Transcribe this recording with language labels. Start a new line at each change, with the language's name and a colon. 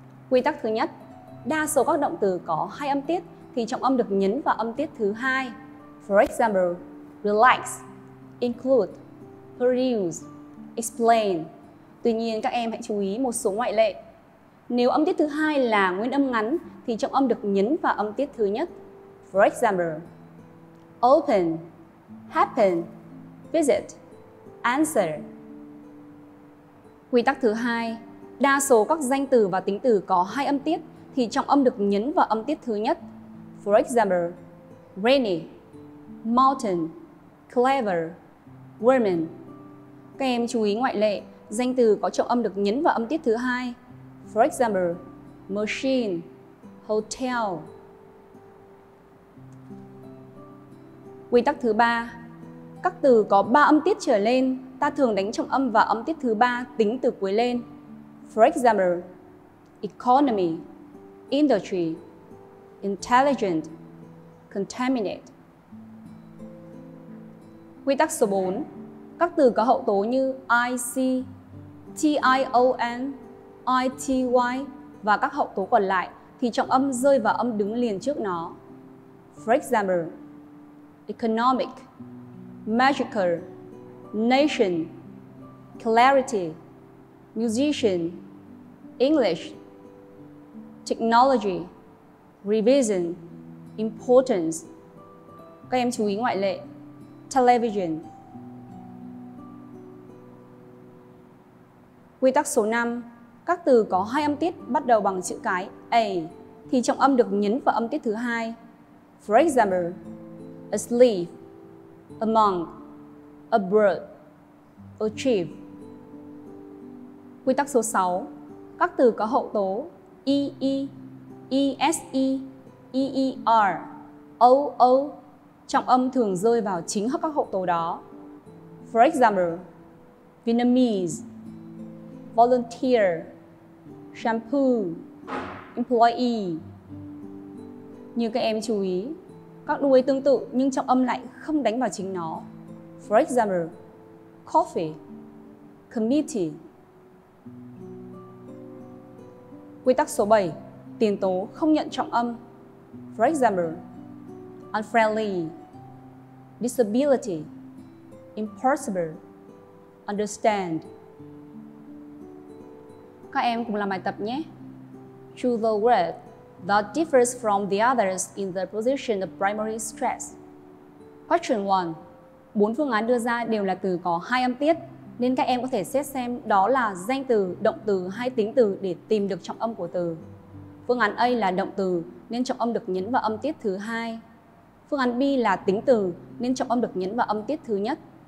Vietnamese: Quy tắc thứ nhất, đa số các động từ có hai âm tiết thì trọng âm được nhấn vào âm tiết thứ hai.
English: For example, relax, include, produce, explain.
Vietnamese: Tuy nhiên các em hãy chú ý một số ngoại lệ. Nếu âm tiết thứ hai là nguyên âm ngắn thì trọng âm được nhấn vào âm tiết thứ nhất.
English: For example, open, happen, visit, answer.
Vietnamese: Quy tắc thứ hai, Đa số các danh từ và tính từ có hai âm tiết thì trọng âm được nhấn vào âm tiết thứ nhất.
English: For example, rainy, mountain, clever, woman.
Vietnamese: Các em chú ý ngoại lệ, danh từ có trọng âm được nhấn vào âm tiết thứ hai.
English: For example, machine, hotel.
Vietnamese: Quy tắc thứ ba, các từ có ba âm tiết trở lên, ta thường đánh trọng âm vào âm tiết thứ ba tính từ cuối lên.
English: For example, economy, industry, intelligent, contaminate.
Vietnamese: Quy tắc số 4, các từ có hậu tố như IC, TION, ITY và các hậu tố còn lại thì trọng âm rơi vào âm đứng liền trước nó.
English: For example, economic, magical, nation, clarity, musician, English, technology, revision, importance.
Vietnamese: Các em chú ý ngoại lệ, television. Quy tắc số 5, các từ có hai âm tiết bắt đầu bằng chữ cái A thì trọng âm được nhấn vào âm tiết thứ hai.
English: For example, asleep, among, abroad, achieve.
Vietnamese: Quy tắc số 6, các từ có hậu tố EE, ESE, EER, OO trọng âm thường rơi vào chính các hậu tố đó.
English: For example, Vietnamese, volunteer, shampoo, employee.
Vietnamese: Như các em chú ý, các đuôi tương tự nhưng trọng âm lại không đánh vào chính nó.
English: For example, coffee, committee.
Vietnamese: Quy tắc số 7, tiền tố không nhận trọng âm.
English: For example, unfriendly, disability, impossible, understand.
Vietnamese: Các em cùng làm bài tập nhé.
English: Choose the word that differs from the others in the position of primary stress. Question 1.
Vietnamese: Bốn phương án đưa ra đều là từ có hai âm tiết, nên các em có thể xét xem đó là danh từ, động từ hay tính từ để tìm được trọng âm của từ. Phương án A là động từ nên trọng âm được nhấn vào âm tiết thứ hai. Phương án B là tính từ nên trọng âm được nhấn vào âm tiết thứ nhất.